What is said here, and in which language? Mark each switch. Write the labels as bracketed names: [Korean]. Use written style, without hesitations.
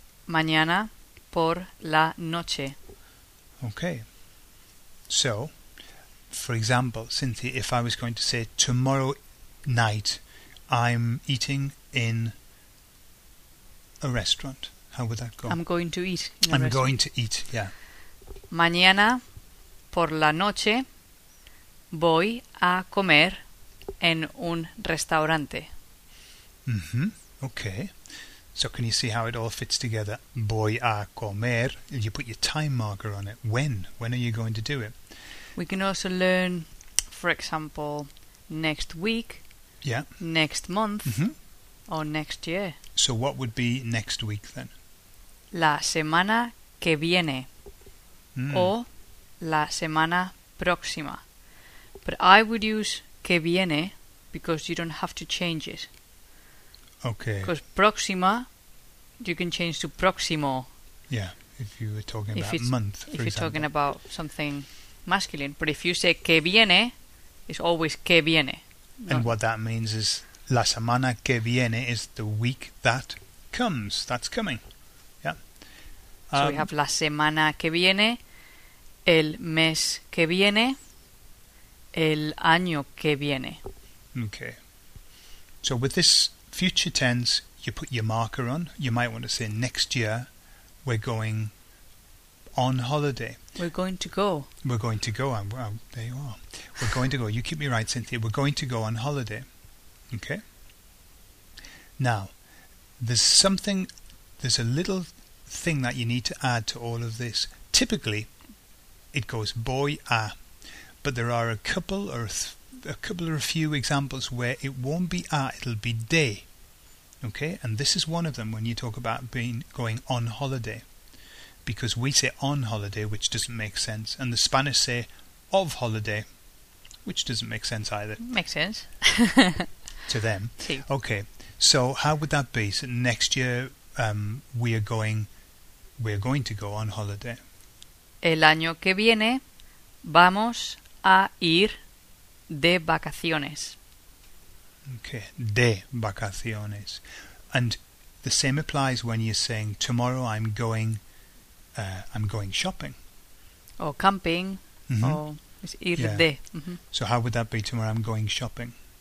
[Spanish] Mañana por la noche. [English] Okay. So, for example, Cynthia, if I was going to say tomorrow night I'm eating in a restaurant, how would that go? I'm going to eat. Going to eat, yeah. [Spanish] Mañana por la noche voy a comer en un restaurante. [English] Mm-hmm. Okay. So can you see how it all fits together? [Spanish] Voy a comer. [English] You put your time marker on it. When? When are you going to do it? We can also learn, for example, next week. Yeah. Next month. Mm-hmm. Or next year. So what would be next week then? [Spanish] La semana que viene. Mm. [English] Or [Spanish] la semana próxima. [English] But I would use [Spanish] que viene [English] because you don't have to change it. Okay. Because próxima, you can change to próximo. Yeah, if you were talking about month, for example. If you're talking about something masculine. But if you say [Spanish] que viene, [English] it's always que viene. And what that means is [Spanish] la semana que viene [English] is the week that comes. That's coming. Yeah. So we have [Spanish] la semana que viene, [English] el mes que viene, el año que viene. Okay. So with this future tense, you put your marker on. You might want to say next year we're going on holiday. We're going to go. There you are. We're going to go. You keep me right, Cynthia. We're going to go on holiday. Okay? Now, there's a little thing that you need to add to all of this. Typically, it goes [Spanish] voy a, [English] but there are a couple or a few examples where it won't be a, it'll be de. Okay, and this is one of them when you talk about going on holiday. Because we say on holiday, which doesn't make sense. And the Spanish say of holiday, which doesn't make sense either. Makes sense. To them. [Spanish] Sí. [English] Okay, so how would that be? So next year we're going to go on holiday. [Spanish] El año que viene vamos a ir de vacaciones. Okay, de vacaciones. [English] And the same applies when you're saying, tomorrow I'm going shopping. Or camping. Mm-hmm. Or it's ir, yeah, [Spanish] de. Mm-hmm. [English] So how would that be, tomorrow I'm going shopping?